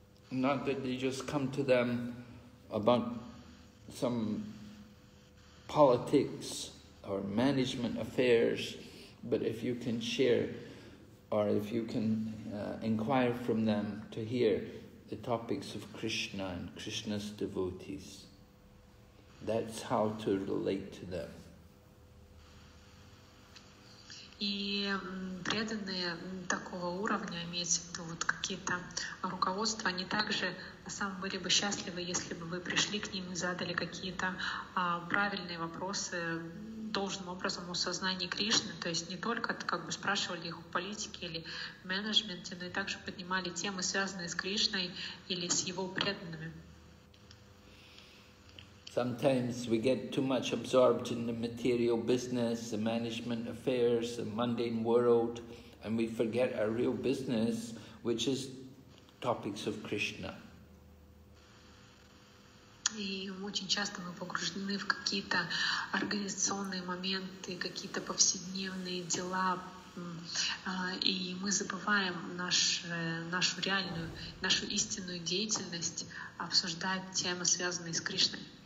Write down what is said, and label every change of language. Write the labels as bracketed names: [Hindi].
[English] Not that they just come to them about some politics or management affairs, but if you can share, or if you can inquire from them to hear the topics of Krishna and Krishna's devotees, that's how to relate to them. [Russian] И преданные такого уровня, имеется в виду вот какие-то руководства, они также сам были бы счастливы, если бы вы пришли к ним и задали какие-то правильные вопросы должным образом о сознании Кришны, то есть не только как бы спрашивали их о политике или менеджменте, но и также поднимали темы, связанные с Кришной или с его преданными. [English] Sometimes we get too much absorbed in the material business, the management affairs, the mundane world, and we forget our real business, which is topics of Krishna. [Russian] И очень часто мы погружены в какие-то организационные моменты, какие-то повседневные дела, и мы забываем нашу реальную, нашу истинную деятельность обсуждать темы, связанные с Кришной.